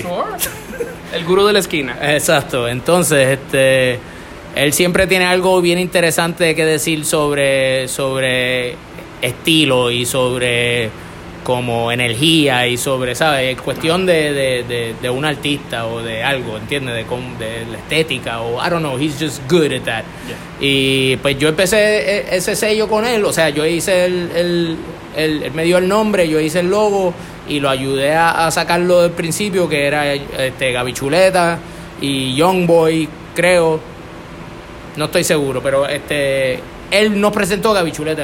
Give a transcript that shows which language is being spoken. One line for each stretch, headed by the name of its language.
Spanish: Sure. El gurú de la esquina. Exacto. Entonces, él siempre tiene algo bien interesante que decir sobre estilo y sobre como energía y sobre, ¿sabes? Es cuestión de un artista o de algo, ¿entiendes? De la estética o
English: I don't know, he's just good at that. Yeah.
Spanish: Y pues yo empecé ese sello con él, o sea, yo hice él me dio el nombre, yo hice el logo y lo ayudé a sacarlo del principio, que era Gaby Chuleta y Youngboy, creo. No estoy seguro, pero él nos presentó a Gaby Chuleta.